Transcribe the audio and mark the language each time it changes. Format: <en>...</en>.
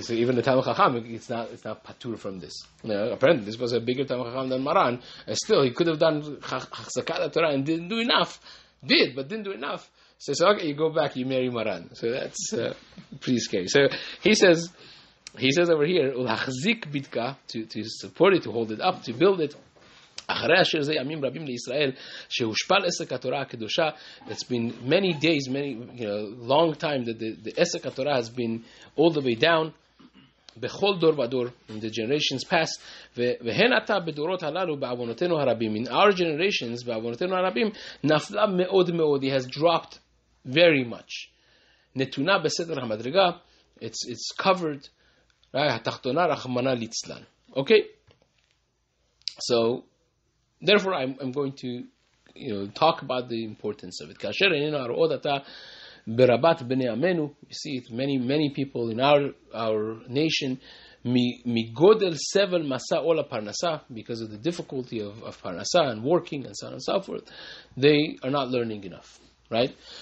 <en>So even the Talmud Chacham, it's not patur from this. You know, apparently, this was a bigger Talmud Chacham than Maran, and still he could have done Chazakat Torah and didn't do enough. Did but didn't do enough. So okay, you go back, you marry Maran. So that's pretty scary. So he says. He says over here,</en> <he>ulachzik bitka,</he> <en>to support it, to hold it up, to build it.</en> <he>אחרי אשר זה ימים רבים לישראל שהושפל עסק התורה הקדושה.</he> <en>It's been many days, many, you know, long time that the עסק התורה has been all the way down</en> <he>בכל דור ודור,</he> <en>in the generations past,</en> <he>והן עתה בדורות הללו בעוונותינו הרבים,</he> <en>in our generations,</en> <he>בעוונותינו הרבים, נפלה מאוד מאוד,</he> <en>it has dropped very much.</en> <he>נתונה בסדר המדרגה,</he> <en>it's covered,</en> <he>התחתונה רחמנה ליצלן.</he> <en>Okay? So, therefore I'm going to, you know, talk about the importance of it.</en> <he>כאשר איננו הרעוד עתה, ברבת בני עמנו,</he> <en>you see it, many people in our nation,</en> <he>מגודל סבל מסע עול הפרנסה,</he> <en>because of the difficulty of פרנסה, and working, and so on and so forth, they are not learning enough, right?</en>